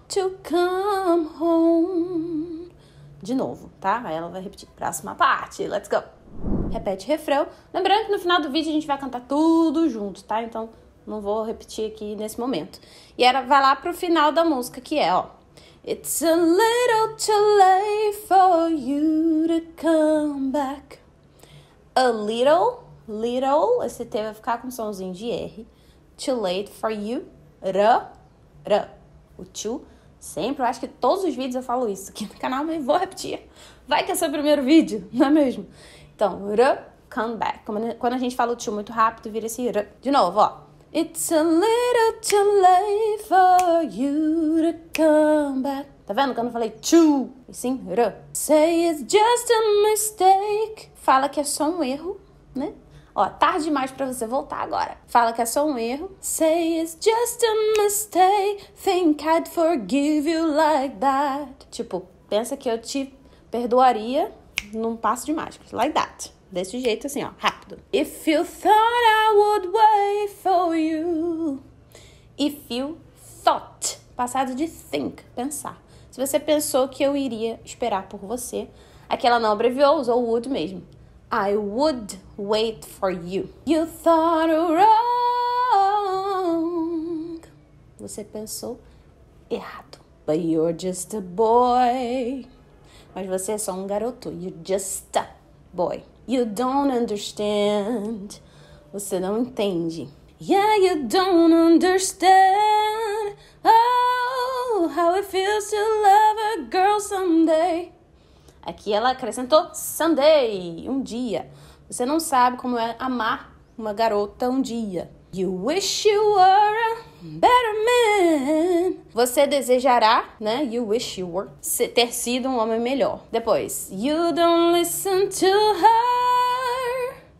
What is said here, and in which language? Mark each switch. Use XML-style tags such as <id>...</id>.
<en>To come home.</en> <pt>De novo, tá? Aí ela vai repetir. Próxima parte,</pt> <en>let's go.</en> <pt>Repete refrão. Lembrando que no final do vídeo a gente vai cantar tudo junto, tá? Então não vou repetir aqui nesse momento. E era, vai lá pro final da música, que é, ó.</pt> <en>It's a little too late for you to come back. A little, little.</en> <pt>Esse T vai ficar com somzinho de R.</pt> <en>Too late for you.</en> <pt>R, R. O too. Sempre, eu acho que todos os vídeos eu falo isso aqui no canal, mas vou repetir. Vai que é seu primeiro vídeo, não é mesmo? Então, R,</pt> <en>come back.</en> <pt>Quando a gente fala o too muito rápido, vira esse R. De novo, ó.</pt> <en>It's a little too late for you to come back.</en> <pt>Tá vendo quando eu falei too? E sim, R.</pt> <en>Say it's just a mistake.</en> <pt>Fala que é só um erro, né? Ó, tarde demais pra você voltar agora. Fala que é só um erro.</pt> <en>Say it's just a mistake. Think I'd forgive you like that.</en> <pt>Tipo, pensa que eu te perdoaria num passo de mágica.</pt> <en>Like that.</en> <pt>Desse jeito assim, ó, rápido.</pt> <en>If you thought I would wait for you. If you thought.</en> <pt>Passado de think, pensar. Se você pensou que eu iria esperar por você. Aqui ela não abreviou, usou would mesmo.</pt> <en>I would wait for you. You thought wrong.</en> <pt>Você pensou errado.</pt> <en>But you're just a boy.</en> <pt>Mas você é só um garoto.</pt> <en>You're just a boy. You don't understand.</en> <pt>Você não entende.</pt> <en>Yeah, you don't understand. Oh, how it feels to love a girl someday.</en> <pt>Aqui ela acrescentou Sunday, um dia. Você não sabe como é amar uma garota um dia.</pt> <en>You wish you were a better man.</en> <pt>Você desejará, né?</pt> <en>You wish you were.</en> <pt>Ter sido um homem melhor. Depois.</pt> <en>You don't listen to her.</en>